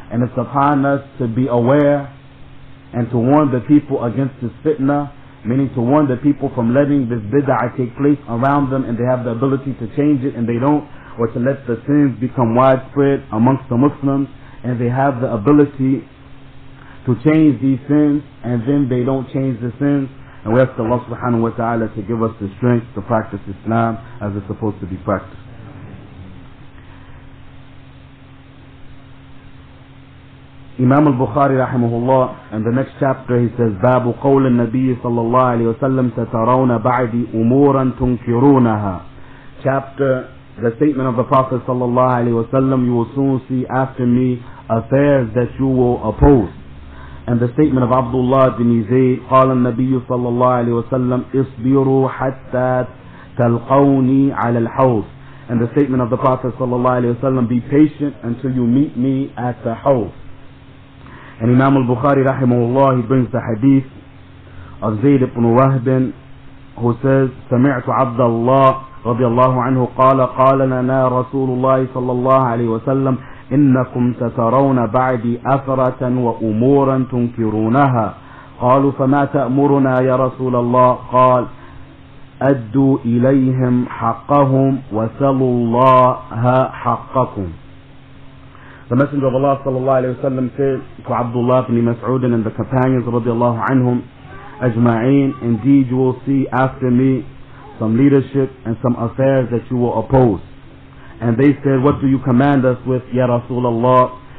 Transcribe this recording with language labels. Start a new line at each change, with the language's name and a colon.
English: And it's upon us to be aware and to warn the people against this fitna, meaning to warn the people from letting this bid'ah take place around them, and they have the ability to change it and they don't, or to let the sins become widespread amongst the Muslims and they have the ability to change these sins, and then they don't change the sins. And we ask Allah subhanahu wa ta'ala to give us the strength to practice Islam as it's supposed to be practiced. Imam al-Bukhari rahimahullah, in the next chapter he says,
Arabic: بَابُ قَوْلِ النَّبِيِّ صَلَّى اللَّهُ عَلَيْهِ وَسَلَّمْ تَتَرَوْنَ بَعْدِ أُمُورًا تُنْكِرُونَهَا.
English: Chapter, the statement of the Prophet
Arabic: صَلَّى اللَّهُ عَلَيْهِ وَسَلَّمْ,
English: you will soon see after me affairs that you will oppose. And the statement of Abdullah bin Zayd,
Arabic: قَالَ النَّبِيُّ صَلَّى اللَّهُ عَلَيْهِ وَسَلَّمْ اِصْبِرُوا حَتَّى تَلْقَوْنِي عَلَى الْحَوْضِ.
English: And the statement of the Prophet sallallahu alaihi wasallam, be patient until you meet me at the hawz. And Imam al-Bukhari rahimahullah, he brings the hadith of Zayd ibn Wahb, who says,
Arabic: سمعت عبد الله رضي الله عنه قال قال لنا رسول الله صلى الله عليه وسلم إنكم سترون بعدي أثرة وأمورا تنكرونها. قالوا فما تأمرنا يا رسول الله؟ قال أدوا إليهم حقهم وسلوا الله حقكم.
English: The Messenger of Allah sallallahu alayhi wa sallam said to Abdullah ibn Mas'ud and the companions radiallahu anhum ajma'een, indeed you will see after me some leadership and some affairs that you will oppose. And they said, what do you command us with, ya Rasulullah?